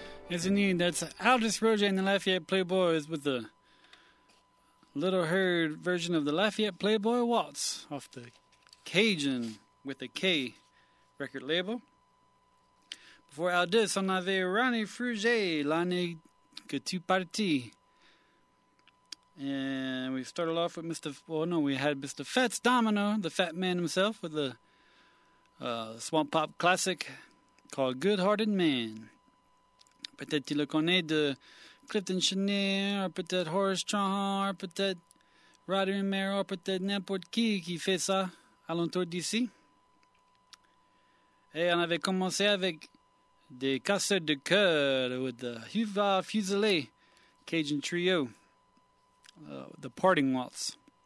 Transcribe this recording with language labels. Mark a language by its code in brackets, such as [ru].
[en] As you need, that's Aldous Roger and the Lafayette Playboys with the Little Herd version of the Lafayette Playboy Waltz off the Cajun with a K record label. Before Aldous, [fr] on avait Ronnie Frugier, L'année que tu partis. [en] And we started off with we had Mr. Fats Domino, the fat man himself, with the swamp pop classic called Good Hearted Man. [fr] Peut-être tu le connais de Clifton Chenier, or peut-être Horace Trahan, or peut-être Roddy Romero, or peut-être n'importe qui fait ça alentour d'ici. Et on avait commencé avec des casseurs de cœur [en] with the [fr] Huva Fusilé Cajun Trio, the Parting Waltz.